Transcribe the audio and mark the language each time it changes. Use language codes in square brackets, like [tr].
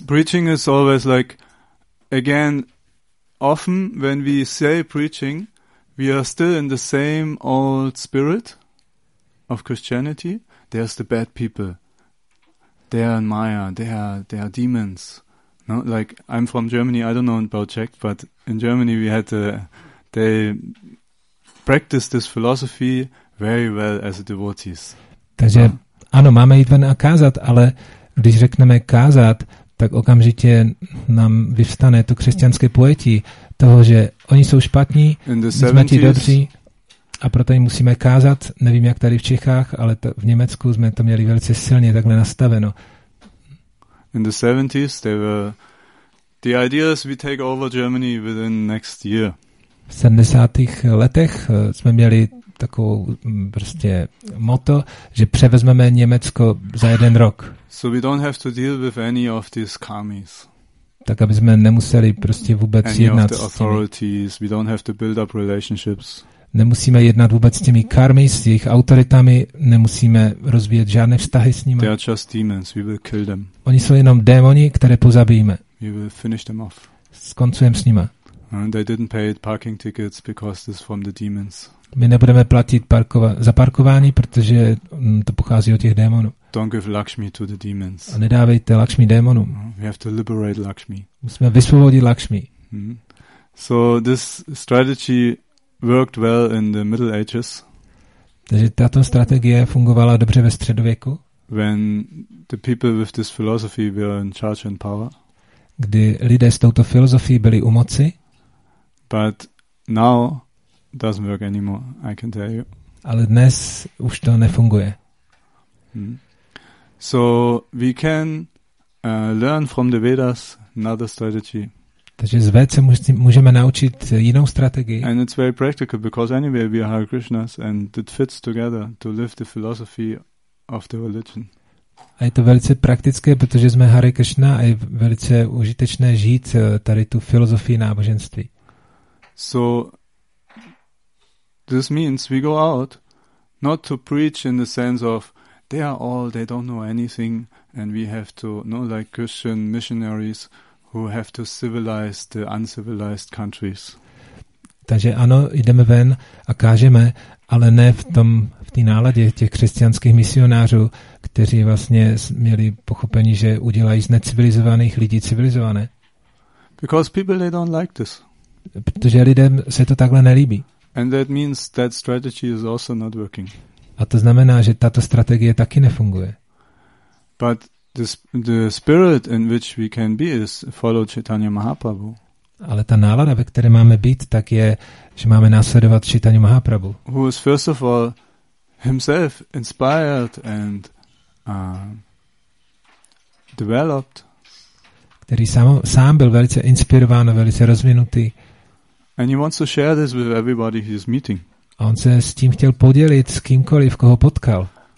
[en] Preaching is always like, again, often when we say preaching, we are still in the same old spirit of Christianity. There's the bad people. They are in Maya. They are demons. No, like I'm from Germany. I don't know about Czech, but in Germany we had they practiced this philosophy very well as devotees. [cs] Takže ano, máme jít ven a kázat, ale když řekneme kázat, tak okamžitě nám vyvstane to křesťanské pojetí toho, že oni jsou špatní, my jsme ti dobří. A proto jim musíme kázat, nevím jak tady v Čechách, ale v Německu jsme to měli velice silně takhle nastaveno. [en] In the 70s they were the ideas we take over Germany within next year. [cs] V 70. letech jsme měli takovou prostě motto, že převezmeme Německo za jeden rok. [en] So we don't have to deal with any of these commies. [cs] Tak aby jsme nemuseli prostě vůbec [en] any [cs] jednat [en] of the authorities, we don't have to build up relationships. [cs] Nemusíme jednat vůbec s těmi karmy, s jejich autoritami, nemusíme rozvíjet žádné vztahy s nimi. [en] They are just demons. We will kill them. [cs] Oni jsou jenom démoni, které pozabijeme. [en] We will finish them off. [cs] Skoncujeme s nima. [en] And they didn't pay parking tickets because this is from the demons. [cs] My nebudeme platit za parkování, protože to pochází od těch démonů. [en] Don't give Lakshmi to the demons. [cs] A nedávejte Lakshmi démonům. [en] We have to liberate Lakshmi. [cs] Musíme vysvobodit Lakshmi. [en] So this strategy worked well in the Middle Ages. [cs] Takže tato strategie fungovala dobře ve středověku. [en] When the people with this philosophy were in charge and power. [cs] Kdy lidé s touto filozofií byli u moci. [en] But now doesn't work anymore, I can tell you. [cs] Ale dnes už to nefunguje. [en] So we can learn from the Vedas another strategy. [cs] Takže z VC můžeme naučit jinou strategii. [en] And it's very practical because anyway we are Hare Krishnas and it fits together to live the philosophy of the religion. [cs] A je to velice praktické, protože jsme Hare Krishna a je velice užitečné žít tady tu filozofii náboženství. [en] So this means we go out not to preach in the sense of they are all, they don't know anything and we have to, not like Christian missionaries who have to civilize the uncivilized countries. [cs] Takže ano, jdeme ven a kážeme, ale ne v té náladě těch křesťanských misionářů, kteří vlastně měli pochopení, že udělají z necivilizovaných lidí civilizované. [en] Because people they don't like this. [cs] Protože lidem se to takhle nelíbí. [en] And that means that strategy is also not working. [cs] A to znamená, že tato strategie taky nefunguje. [en] But the spirit in which we can be is follow Chaitanya Mahaprabhu. [cs] Ale ta nálada, ve které máme být, tak je, že máme následovat Chaitanya Mahaprabhu. [en] Who is first of all himself inspired and developed. [cs] Který sám byl velice inspirován a velice rozvinutý. [en] And he wants to share this with everybody he is meeting. [cs] A on se s tím chtěl podělit s kýmkoliv, koho potkal.